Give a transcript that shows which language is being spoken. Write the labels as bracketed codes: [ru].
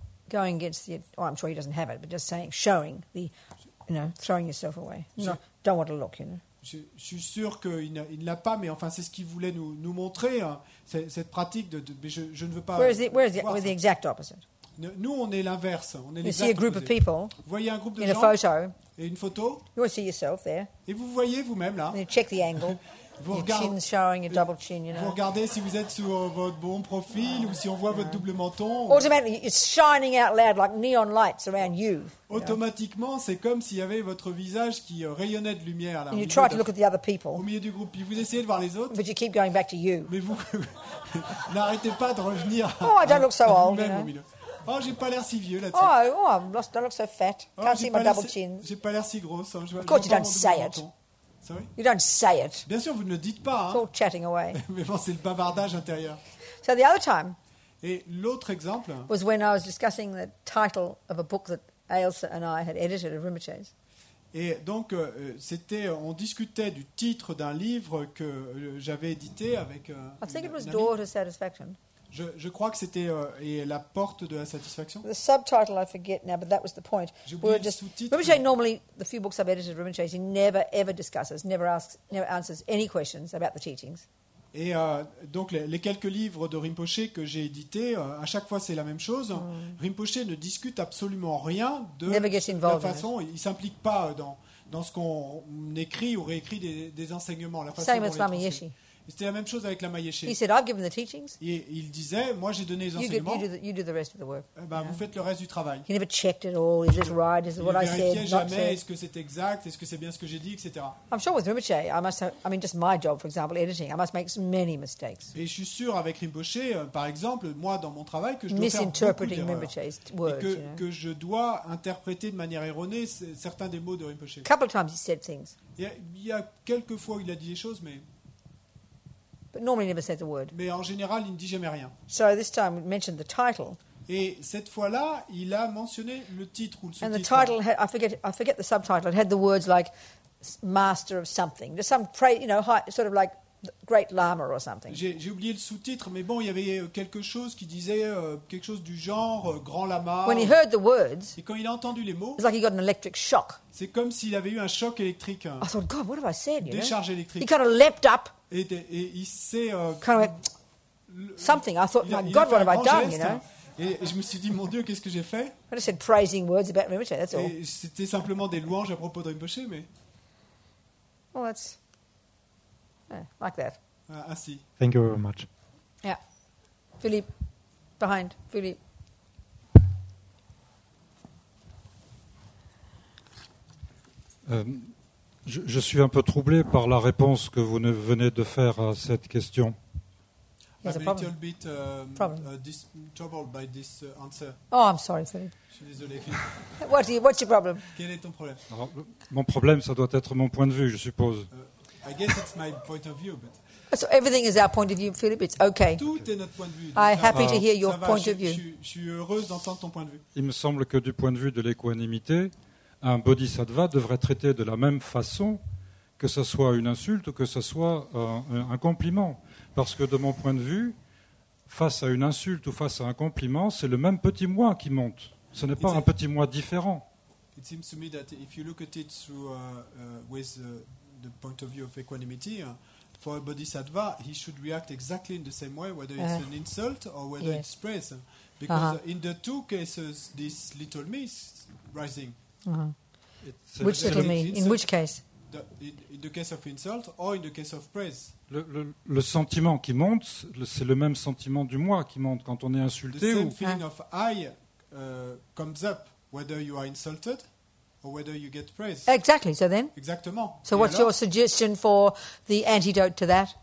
[en] going against the, well, I'm sure he doesn't have it, but just saying, showing the, you know, throwing yourself away. No, don't want to look, you know. [fr] Je suis sûr qu'il ne l'a pas, mais enfin, c'est ce qu'il voulait nous montrer, cette pratique de, mais je ne veux pas. [en] Where is the exact opposite? [fr] Nous, on est l'inverse. On est [en] you see a group of people. [fr] Vous voyez un groupe de [en] in [fr] gens. [en] A photo. [fr] Et une photo. [en] You see yourself there. [fr] Et vous voyez vous-même là. [en] And you check the angle. [fr] Vous regardez si vous êtes sous votre bon profil ou si on voit votre double menton. [en] Automatically, it's shining out loud like neon lights around you. [fr] Automatiquement, c'est comme s'il y avait votre visage qui rayonnait de lumière là. [en] And you try to look at the other people. [fr] Au milieu du groupe, puis vous essayez de voir les autres. [en] But you keep going back to you. [fr] Mais vous n'arrêtez pas de revenir. [en] Oh, I don't look so old. [fr] Oh, j'ai pas l'air si vieux là-dessus. [en] Oh, I don't look so fat. Can't see my double chin. [fr] J'ai pas l'air si grosse. Hein. [en] Of course, you don't say it. Sorry? You don't say it. [fr] Bien sûr, vous ne le dites pas. [en] It's all chatting away. [fr] Mais bon, c'est le bavardage intérieur. [en] So the other time. [fr] Et l'autre exemple. [en] Was when I was discussing the title of a book that Ailsa and I had edited at Rimaches. [fr] Et donc, c'était, on discutait du titre d'un livre que j'avais édité avec [en] I think it was Door to Satisfaction. [fr] Je crois que c'était et La Porte de la Satisfaction. [en] The subtitle, I forget now, but that was the point. [fr] Rimaché, [en] normally, the few books I've edited, Rimaché, he never, ever discusses, never asks, never answers any questions about the teachings. [fr] Et donc, les quelques livres de Rinpoché que j'ai édités, à chaque fois, c'est la même chose. Mm. Rinpoché ne discute absolument rien de la façon... Il ne s'implique pas dans ce qu'on écrit ou réécrit des enseignements. La façon [en] Same with Lama Yeshe. [fr] Et c'était la même chose avec Lama Yeshe. [en] He said, I've given the teachings. [fr] Il disait, moi, j'ai donné les enseignements. [en] You do the rest of the work. [fr] Vous faites le reste du travail. [en] He never checked it all. Is this right? Is this what I said? [fr] Il ne vérifiait jamais. Est-ce que c'est exact? Est-ce que c'est bien ce que j'ai dit, etc. [en] I'm sure with Rinpoche, just my job, for example, editing, I must make many mistakes. [fr] Et je suis sûr avec Rinpoche, par exemple, moi, dans mon travail, que je dois faire beaucoup d'erreurs. Que je dois interpréter de manière erronée certains des mots de Rinpoche. [en] Couple of times he said things. [fr] Il y a quelques fois où il a dit des choses, mais... [en] But normally never says a word. [fr] Mais en général, il ne dit jamais rien. [en] So this time we mentioned the title. [fr] Et cette fois-là, il a mentionné le titre ou le [en] sous-titre. And the title had, I forget the subtitle. It had the words like master of something. There's some sort of like great lama or something. [fr] J'ai oublié le sous-titre, mais bon, il y avait quelque chose qui disait quelque chose du genre grand lama. [en] When he heard the words. [fr] Et quand il a entendu les mots. [en] It's like he got an electric shock. [fr] C'est comme s'il avait eu un choc électrique. [en] I thought, God, what have I said? [fr] Décharge électrique. [en] He kind of leapt up. [fr] Et il s'est [en] something. I thought, my God, what have I done? You know. [fr] Et je me suis dit, mon Dieu, qu'est-ce que j'ai fait? [en] I just said praising words about Rinpoche. That's all. [fr] Et c'était simplement des louanges à propos de Rinpoche, mais. [en] Well, that's like that. [fr] Ah, si. [en] Thank you very much. Yeah, Philippe, behind Philippe. [fr] Je suis un peu troublé par la réponse que vous venez de faire à cette question. [en] I'm a little bit troubled by this answer. Oh, I'm sorry, Philippe. [fr] Je suis désolé. [en] What's your problem? [fr] Quel est ton problème? Alors, mon problème, ça doit être mon point de vue, je suppose. [en] I guess it's my point of view, but. So everything is our point of view, Philippe. It's okay. [fr] Tout est notre point de vue. [en] I'm happy to hear your point of view. [fr] Je suis heureuse d'entendre ton point de vue. Il me semble que du point de vue de l'équanimité. Un bodhisattva devrait traiter de la même façon, que ce soit une insulte ou que ce soit un compliment. Parce que de mon point de vue, face à une insulte ou face à un compliment, c'est le même petit moi qui monte. Ce n'est pas un petit moi différent. [en] It seems to me that if you look at it through with the point of view of equanimity, for a bodhisattva, he should react exactly in the same way, whether it's an insult or whether it's praise. Because in the two cases, this little me is rising. Mm-hmm. Which little me? In which case? In the case of insult or in the case of praise? [fr] Le sentiment qui monte, c'est le même sentiment du moi qui monte quand on est insulté. [en] The same feeling of I comes up whether you are insulted or whether you get praise. Exactly. So then. [fr] Exactement. [en] So what's your suggestion for the antidote to that?